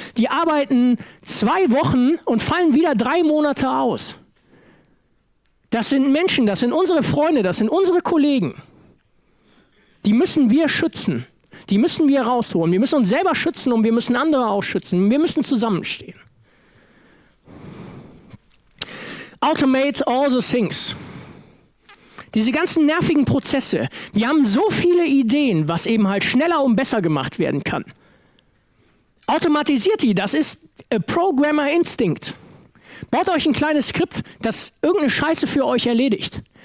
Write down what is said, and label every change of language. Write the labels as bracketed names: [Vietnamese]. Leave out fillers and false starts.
[German] Die arbeiten 2 Wochen und fallen wieder 3 Monate aus. Das sind Menschen, das sind unsere Freunde, das sind unsere Kollegen. Die müssen wir schützen. Die müssen wir rausholen. Wir müssen uns selber schützen und wir müssen andere auch schützen. Wir müssen zusammenstehen. [English] Automate all the things. [German] Diese ganzen nervigen Prozesse. Wir haben so viele Ideen, was eben halt schneller und besser gemacht werden kann. Automatisiert die, das ist [English] a programmer instinct. [German] Baut euch ein kleines Skript, das irgendeine Scheiße für euch erledigt.